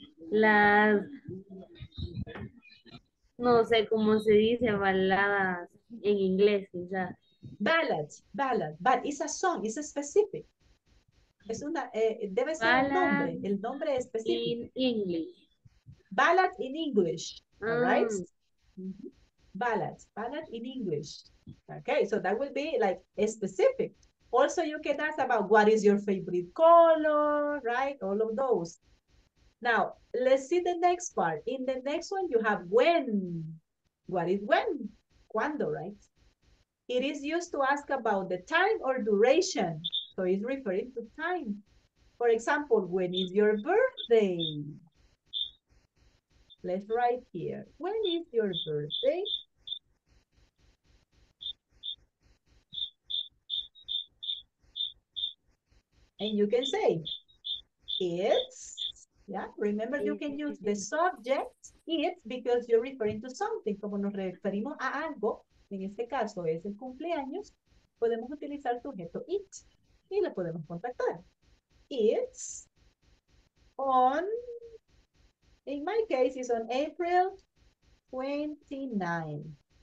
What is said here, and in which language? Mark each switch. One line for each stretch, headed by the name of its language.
Spanish: Las, no sé cómo se dice, baladas en inglés, quizás.
English: Ballad, but it's a song, it's a specific.
Spanish: Es una, debe ser el nombre específico.
English: In English. Ballad in English, right? Mm-hmm. Ballad in English. Okay, so that will be like a specific. Also, you can ask about what is your favorite color, right? All of those. Now, let's see the next part. In the next one, you have when. What is when?
Spanish: Cuando,
English: right? It is used to ask about the time or duration. So it's referring to time. For example, when is your birthday? Let's write here. When is your birthday? And you can say, it's, yeah, remember you can use the subject, it's, because you're referring to something.
Spanish: Como nos referimos a algo, en este caso es el cumpleaños, podemos utilizar sujeto it y le podemos contactar.
English: It's on, in my case, it's on April 29.